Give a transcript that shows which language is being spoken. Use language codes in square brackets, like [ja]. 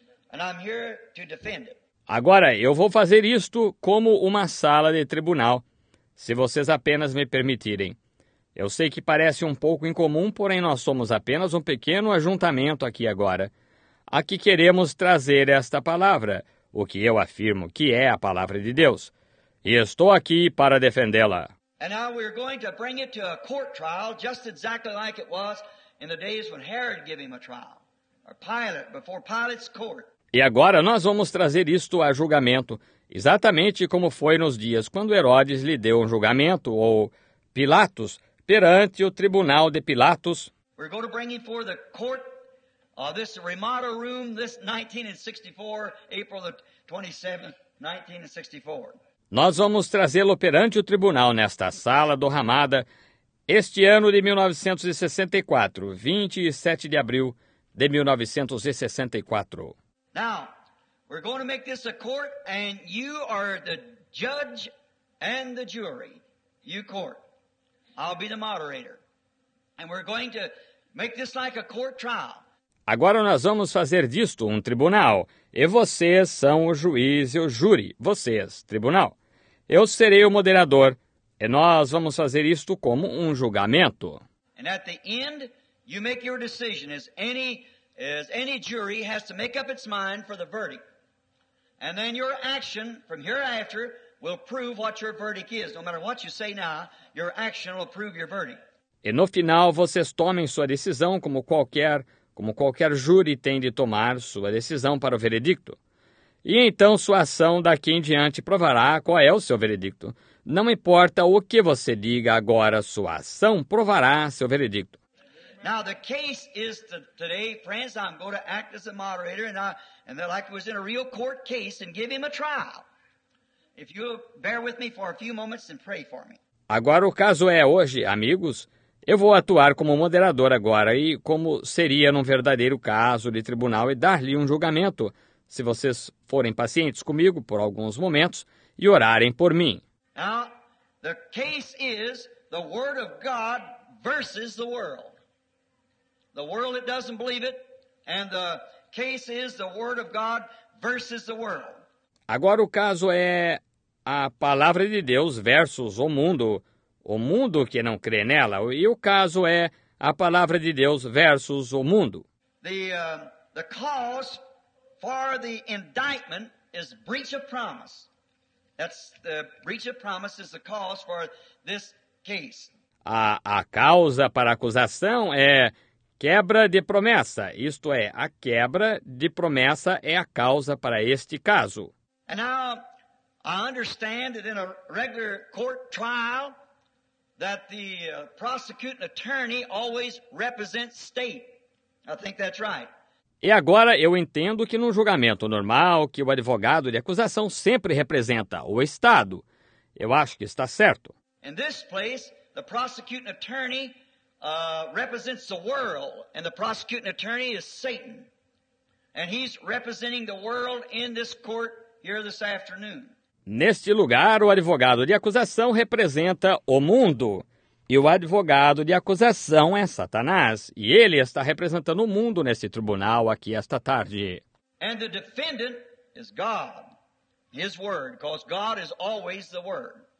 [en] And I'm here to defend it. [pt] Agora, eu vou fazer isto como uma sala de tribunal, se vocês apenas me permitirem. Eu sei que parece um pouco incomum, porém nós somos apenas um pequeno ajuntamento aqui agora. Aqui queremos trazer esta palavra, o que eu afirmo que é a palavra de Deus. E estou aqui para defendê-la. E agora vamos trazer para um tribunal de justiça, [en] just exactly [pt] como [en] was in the days when Herod gave him a trial, or Pilate, before Pilate's court. [pt] E agora nós vamos trazer isto a julgamento, exatamente como foi nos dias quando Herodes lhe deu um julgamento, ou Pilatos, perante o tribunal de Pilatos. [en] We're going to bring him for the court, this Ramada room, this 1964, April the 27th, 1964. [pt] Nós vamos trazê-lo perante o tribunal nesta sala do Ramada, este ano de 1964, 27 de abril de 1964. [en] Now, we're going to make this a court, and you are the judge and the jury. You court. I'll be the moderator. And we're going to make this like a court trial. [pt] Agora nós vamos fazer disto um tribunal. E vocês são o juiz e o júri. Vocês, tribunal. Eu serei o moderador. E nós vamos fazer isto como um julgamento. [en] And at the end, you make your decision as any... As any jury has to make up its mind for the verdict. And then your action from hereafter will prove what your verdict is. No matter what you say now, your action will prove your verdict. [pt] E no final vocês tomem sua decisão como qualquer júri tem de tomar sua decisão para o veredicto. E então sua ação daqui em diante provará qual é o seu veredicto. Não importa o que você diga agora, sua ação provará seu veredicto. [en] Now the case is today, friends, I'm going to act as a moderator and like it was in a real court case and give him a trial. If you bear with me for a few moments and pray for me. [pt] Agora o caso é hoje, amigos, eu vou atuar como moderador agora e como seria num verdadeiro caso de tribunal e dar-lhe um julgamento, se vocês forem pacientes comigo por alguns momentos e orarem por mim. [en] Now, the case is the word of God versus the world. The world that doesn't believe it, and the case is the word of God versus the world. [pt] Agora o caso é a palavra de Deus versus o mundo que não crê nela, e o caso é a palavra de Deus versus o mundo. [en] The cause for the indictment is breach of promise. That's the breach of promise is the cause for this case. [pt] A causa para a acusação é quebra de promessa. Isto é, a quebra de promessa é a causa para este caso. [en] And now, I understand that in a regular court trial, that the prosecuting attorney always represents state. I think that's right. [pt] E agora eu entendo que num julgamento normal, que o advogado de acusação sempre representa o Estado. Eu acho que está certo. [en] In this place, the prosecuting attorney represents the world, and the prosecuting attorney is Satan. And he's representing the world in this court here this afternoon. [pt] Neste lugar, o advogado de acusação representa o mundo. E o advogado de acusação é Satanás. E ele está representando o mundo neste tribunal aqui esta tarde. [en] And the defendant is God, his word, because God is always the word.